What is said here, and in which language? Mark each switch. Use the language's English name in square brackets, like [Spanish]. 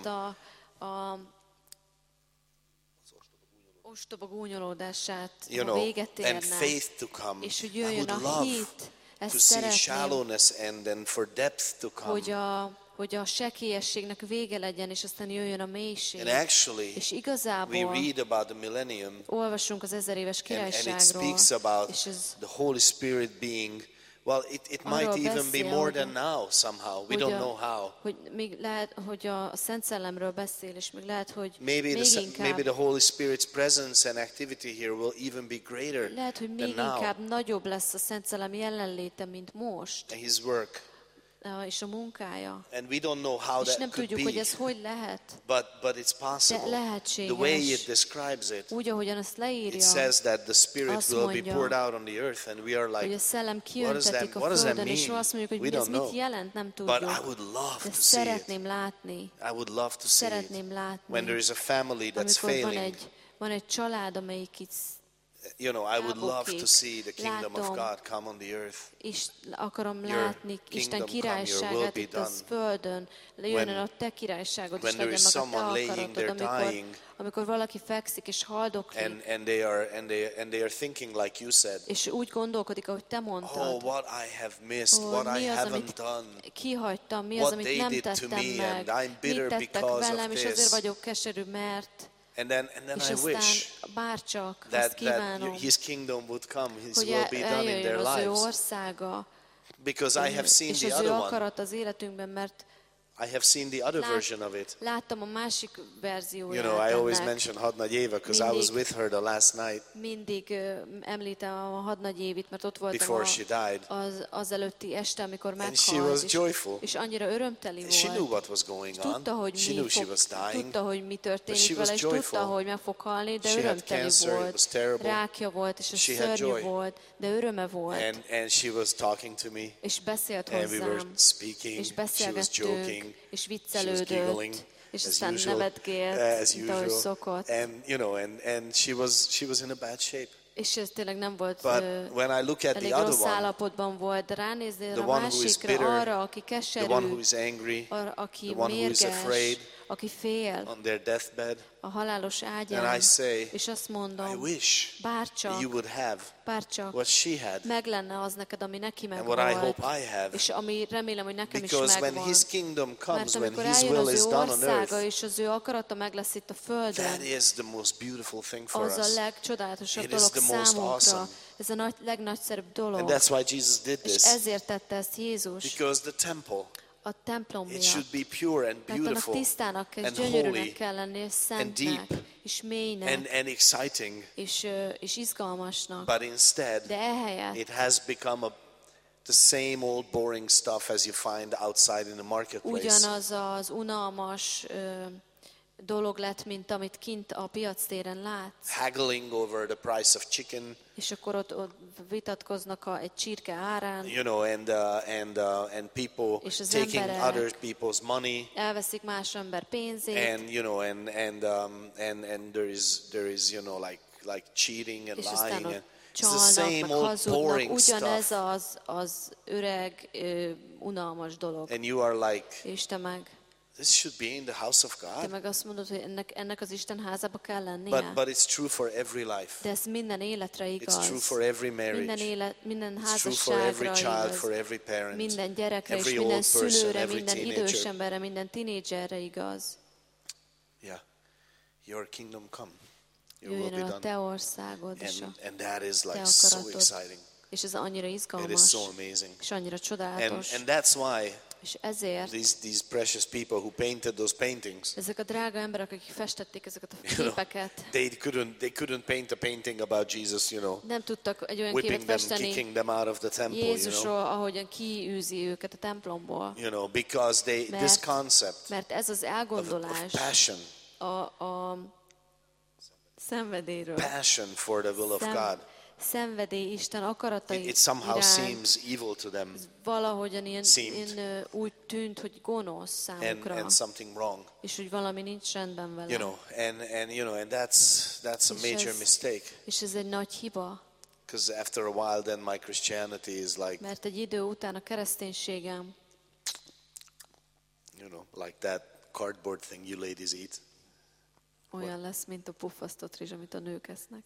[Hungarian] Ezt a ostoba gúnyolódását, [English] you know, [Hungarian] véget érne, [English] and faith to come. [Hungarian] És hogy jöjjön a hit, ezt [English] to see shallowness and then for depth to come. [Hungarian] Hogy a sekélyességnek vége legyen, és aztán jöjjön a mélység. [English] And actually, [Hungarian] és igazából [English] we read about the millennium, [Hungarian] olvasunk az ezer éves királyságról, [English] and it speaks about the Holy Spirit being, well, it might even [Hungarian] beszél, [English] be more than now somehow. We don't know how. [Hungarian] Hogy még lehet, hogy a Szent Szellemről beszél, és még lehet, hogy [English] maybe [Hungarian] még [English] the, [Hungarian] inkább. [English] Maybe the Holy Spirit's presence and activity here will even be greater than now. [Hungarian] Lehet, hogy még inkább nagyobb lesz a Szent Szellem jelenléte, mint most. [English] And his work. [Hungarian] És a munkája. [English] And we don't know how [Hungarian] és [English] that [Hungarian] nem [English] could [Hungarian] tudjuk, [English] be. [Hungarian] Hogy ez hogy lehet. [English] But it's possible. [Hungarian] De lehetséges. [English] The way it describes it. [Hungarian] Úgy, ahogyan ezt leírja. [English] It says that the Spirit [Hungarian] mondja, [English] will be poured out on the earth and we are like, [Hungarian] hogy a szellem kiöntetik a földön, és azt mondjuk, hogy ez mit jelent, nem tudjuk. [English] But I would love to see [Hungarian] szeretném [English] it. [Hungarian] Látni. [English] I would love to see [Hungarian] szeretném [English] it. [Hungarian] Látni. [English] When there is a family that's [Hungarian] amikor [English] failing. [Hungarian] Van egy család, amelyik itt. [English] You know, I would love to see the kingdom [Hungarian] látom, [English] of God come on the earth. [Hungarian] És akarom látni Isten királyságát itt a földön. Jöjjön a te királyságod, és legyen meg a te akaratod, amikor valaki fekszik és haldoklik. [English] And they are thinking like you said. [Hungarian] És úgy gondolkodik, ahogy te mondtad. [English] Oh, what I have missed, what I haven't done. [Hungarian] Kihagytam, mi az, amit nem tettem meg. [English] And I'm bitter because of this. [Hungarian] És azért vagyok keserű, mert [English] And then [Hungarian] és aztán, [English] I wish [Hungarian] bárcsak, [English] that his kingdom would come, his will be done in their lives. [Hungarian] Hogy eljöjjön az ő országa. [English] Because I have seen the other one. [Hungarian] És az ő akarat az életünkben, mert [English] I have seen the other version of it. [Hungarian] Láttam a másik verzióját. [English] You know, I always mention Hadnagy Éva, because I was with her the last night. [Hungarian] Mindig említem a Hadnagy Évit, mert ott voltam [English] before she died. [Hungarian] Az előtti este, amikor meghalt. [English] And she was joyful. [Hungarian] És annyira örömteli volt. [English] She knew what was going on. [Hungarian] Tudta, hogy [English] she knew she was dying. [Hungarian] Tudta, hogy mi történik vele, és tudta, hogy meg fog halni, de örömteli volt. Rákja volt, és szörnyű volt, de öröme volt. [English] And she was talking to me. [Hungarian] És beszélt hozzám. [English] And we were speaking. [Hungarian] És beszélgettünk. És viccelődött, és aztán nevetgélt, mint ahogy szokott. [English] And you know, and she was in a bad shape. [Hungarian] És ez tényleg nem volt. [English] But when I look at the other one, [Hungarian] állapotban volt, de ránézni a másikra, arra, aki keserű, [English] the one who is angry, [Hungarian] aki mérges, aki fél, [English] on their deathbed, [Hungarian] a halálos ágyán, [English] and I say, [Hungarian] és azt mondom, [English] I wish, [Hungarian] bárcsak, [English] you would have, [Hungarian] bárcsak, [English] what she had, [Hungarian] meg lenne az neked, ami neki megvolt, [English] and what I hope I have, [Hungarian] és ami remélem, hogy nekem is megvan, [English] because when his kingdom comes, when his will is done on earth, [Hungarian] és az ő akarata meg lesz itt a földön, [English] that is the most beautiful thing for us, [Hungarian] az a legcsodálatosabb dolog számunkra. Ez a legnagyszerűbb dolog. [English] And that's why Jesus did this. [Hungarian] És ezért tette ezt Jézus. [English] Because the temple, [Hungarian] a templom miatt. [English] It should be pure and beautiful. [Hungarian] Mert tisztának és gyönyörűnek kell lenni, és szentnek, és mélynek. [English] And exciting. [Hungarian] És izgalmasnak. [English] But instead, [Hungarian] de ehelyett, [English] it has become the same old boring stuff as you find outside in the marketplace. [Hungarian] Ugyanaz az unalmas dolog lett, mint amit kint a piac téren látsz. [English] Haggling over the price of chicken. [Hungarian] És akkor ott vitatkoznak a egy csirke árán. [English] You know, and people taking other people's money. [Hungarian] Elveszik más ember pénzét. [English] And you know, and there is you know, like cheating and lying. [Hungarian] És aztán csalnak, [English] it's the same old boring stuff. [Hungarian] Ugyanez az öreg unalmas dolog. [English] And you are like, [Hungarian] és te meg, [English] this should be in the house of God. [Hungarian] De meg azt mondod, hogy ennek az Isten házába kell lennie. [English] But it's true for every life. [Hungarian] De ez minden életre igaz. [English] It's true for every marriage. [Hungarian] Minden házasságra igaz. [English] It's true for every child, for every parent. [Hungarian] Minden gyerekre, és minden szülőre, minden idős emberre, minden tinédzserre igaz. [English] Yeah. Your kingdom come. Your will be done. [Hungarian] Jöjjön a te országod, és a [English] and that is like so exciting. [Hungarian] És ez annyira izgalmas. [English] It is so amazing. [Hungarian] És annyira csodálatos. [English] And that's why [Hungarian] és ezért [English] these precious people who painted those paintings, [Hungarian] ezek a drága emberek, akik festették ezeket a képeket, [English] you know, they couldn't paint a painting about Jesus, you know, [Hungarian] nem tudtak egy olyan [English] whipping [Hungarian] képet festeni [English] them, kicking them out of the temple, [Hungarian] Jézusról, [English] you know, [Hungarian] ahogyan kiűzi őket a templomból, [English] you know, because they [Hungarian] mert, [English] this concept, [Hungarian] mert ez az elgondolás, [English] of passion, [Hungarian] a szenvedélyről, [English] passion for the will of God, [Hungarian] szenvedély Isten akarata [English] it somehow [Hungarian] irány, [English] seems evil to them. [Hungarian] Valahogyan ilyen úgy tűnt, hogy gonosz számukra. [English] And something wrong. [Hungarian] És hogy valami nincs rendben vele. [English] You know, and you know, and that's a major mistake. [Hungarian] És ez egy nagy hiba. [English] Because after a while, then my Christianity is like. [Hungarian] Mert egy idő után a kereszténységem. [English] You know, like that cardboard thing you ladies eat. [Hungarian] Olyan lesz, mint a puffasztott rizs, amit a nők esznek.